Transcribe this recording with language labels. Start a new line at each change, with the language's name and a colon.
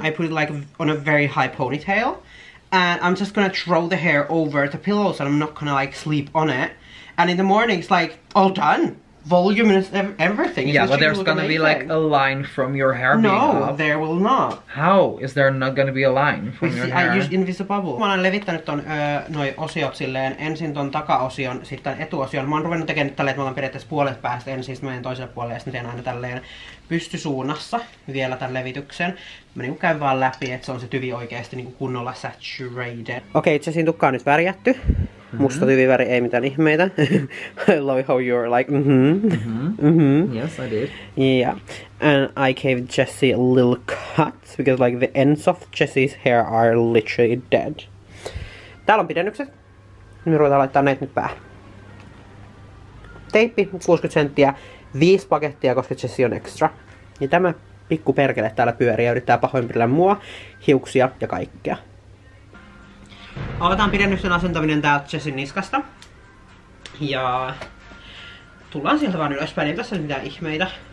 English: I put it like on a very high ponytail. And I'm just gonna throw the hair over the pillows and I'm not gonna like sleep on it. And in the morning, it's like all done. Volume and everything. Yeah, but there's gonna be like a line from your hair. No, there will not. How is there not gonna be a line from your hair? I use invisible bubble.
Finnish: Mä oon levittänyt ton noi osiot silleen ensin ton takaosion, sitten etuosion. Mä oon ruvennut tekemään tälleen, että mä oon periaatteessa puolet päästä ensin, sitten mä menen toiselle puolelle ja sitten teen aina tälleen pystysuunnassa vielä tän levityksen. Mä niinku käyn vaan läpi, että se on se tyvi oikeesti niinku kunnolla saturated. Okei, itse siinä tukka on nyt värjätty. Musta tyviväri, ei mitään ihmeitä.
English: I love how you're like, Yes, I did. Yeah. And I gave Jessie a little cut, because like the ends of Jessie's hair are literally dead.
Finnish: Täällä on pidennykset. Me ruvetaan laittaa näitä nyt päähän. Teippi, 60 senttiä, 5 pakettia, koska Jessie on extra. Ja tämä pikku perkele täällä pyörii ja yrittää pahoinpidellä mua, hiuksia ja kaikkea. Aloitetaan pidennyksen asentaminen täältä Jessin niskasta. Ja tullaan sieltä vaan ylöspäin, ei tässä mitään ihmeitä.